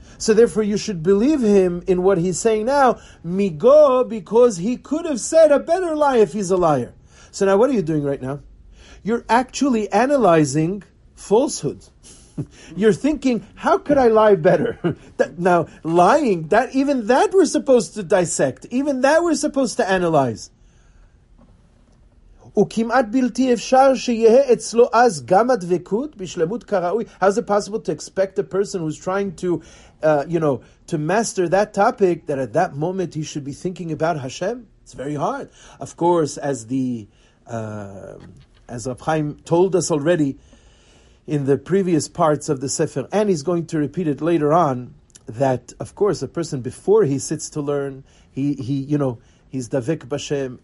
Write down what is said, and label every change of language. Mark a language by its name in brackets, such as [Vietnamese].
[English] So therefore, you should believe him in what he's saying now, migo, because he could have said a better lie if he's a liar. So now, what are you doing right now? You're actually analyzing falsehood. You're thinking, how could I lie better? Now, lying, that even that we're supposed to dissect. Even that we're supposed to analyze. [Hebrew] וכמעט בלתי אפשר שיהיה אצלו אז גם הדבקות בשלמות כראוי. [English] How is it possible to expect a person who's trying to, to master that topic, that at that moment he should be thinking about Hashem? It's very hard. Of course, as the as Rav Chaim told us already in the previous parts of the Sefer, and he's going to repeat it later on, that, of course, a person before he sits to learn, he's Davik Bashem.